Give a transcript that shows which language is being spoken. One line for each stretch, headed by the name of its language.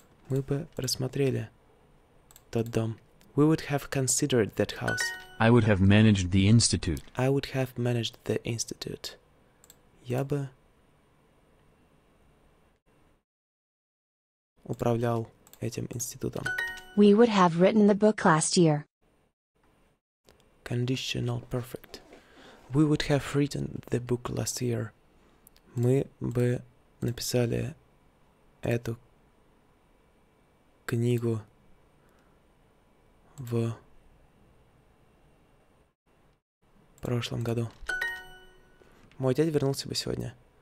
Russian: Мы бы рассмотрели тот дом.
English: We would have considered that house. I would have managed the institute. I would have managed the institute.
Russian: Я бы управлял этим институтом.
English: We would have written the book last year. Conditional perfect. We would have written the book last year.
Russian: Мы бы написали эту книгу в прошлом году. Мой дядя вернулся бы сегодня.